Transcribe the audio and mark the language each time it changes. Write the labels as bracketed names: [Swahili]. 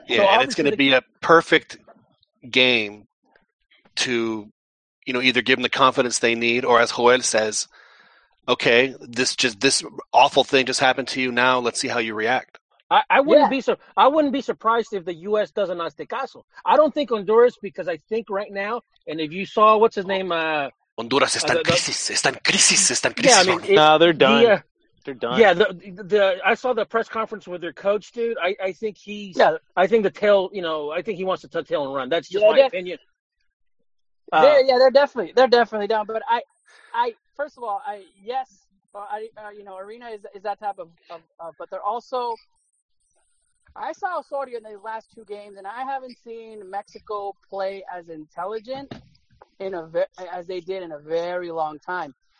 [English] Yeah, so and it's going to be a perfect game to, you know, either give them the confidence they need, or as Joel says, okay, this awful thing just happened to you. Now let's see how you react. I wouldn't be surprised if the U.S. does an Aztecaso. I don't think Honduras, because I think right now, and if you saw what's his name, [Spanish] Honduras está en crisis, está en crisis, está en crisis. [English] Yeah, I mean, they're done. Yeah, the I saw the press conference with their coach, dude. I think he wants to tuck tail and run. That's just my opinion. They're definitely down. But First of all, Arena is that type of, but they're also, I saw Osorio in the last two games, and I haven't seen Mexico play as intelligent as they did in a very long time.